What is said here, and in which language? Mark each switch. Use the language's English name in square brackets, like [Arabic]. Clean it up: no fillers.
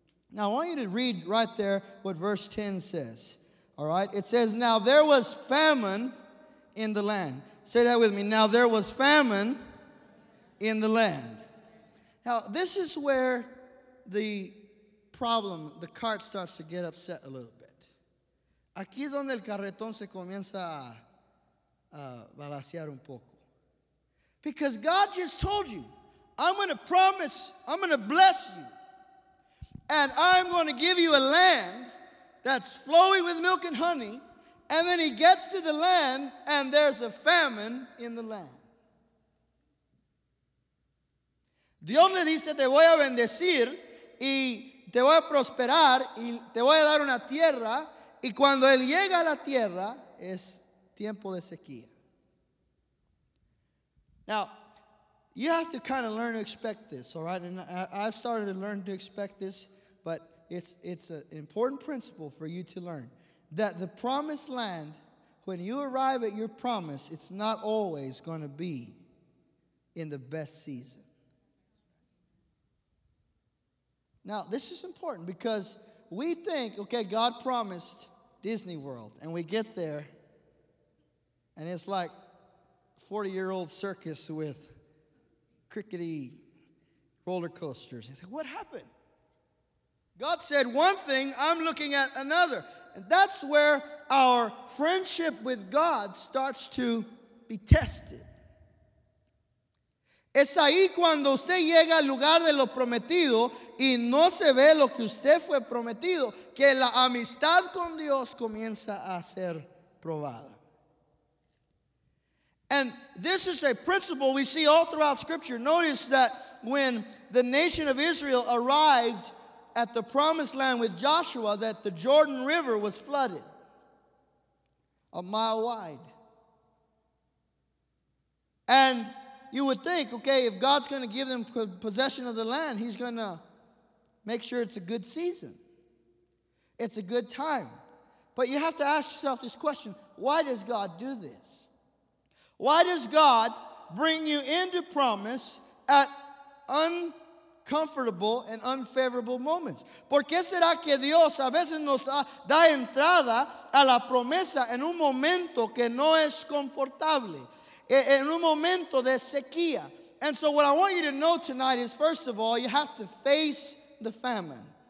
[English] Now, I want you to read right there what verse 10 says. All right? It says, now there was famine in the land. Say that with me. Now there was famine in the land. Now, this is where the problem, the cart starts to get upset a little bit. [Spanish] Aquí donde el carretón se comienza a balancear un poco. [English] Because God just told you, I'm going to promise, I'm going to bless you, and I'm going to give you a land that's flowing with milk and honey. And then he gets to the land, and there's a famine in the land. [Spanish] Dios le dice, te voy a bendecir, y te voy a prosperar, y te voy a dar una tierra. Y cuando él llega a la tierra, es tiempo de sequía. [English] Now, you have to kind of learn to expect this, all right? And I've started to learn to expect this, but it's an important principle for you to learn. That the promised land, when you arrive at your promise, it's not always going to be in the best season. Now, this is important because we think, okay, God promised Disney World, and we get there, and it's like, 40-year-old circus with crickety roller coasters. He said, what happened? God said one thing, I'm looking at another. And that's where our friendship with God starts to be tested. [Spanish] Es ahí cuando usted llega al lugar de lo prometido y no se ve lo que usted fue prometido, que la amistad con Dios comienza a ser probada. [English] And this is a principle we see all throughout Scripture. Notice that when the nation of Israel arrived at the promised land with Joshua, that the Jordan River was flooded, a mile wide. And you would think, okay, if God's going to give them possession of the land, he's going to make sure it's a good season. It's a good time. But you have to ask yourself this question, why does God do this? Why does God bring you into promise at uncomfortable and unfavorable moments? [Spanish] ¿Por qué será que Dios a veces nos da entrada a la promesa en un momento que no es confortable? En un momento de sequía. [English] And so what I want you to know tonight is, first of all, you have to face the famine.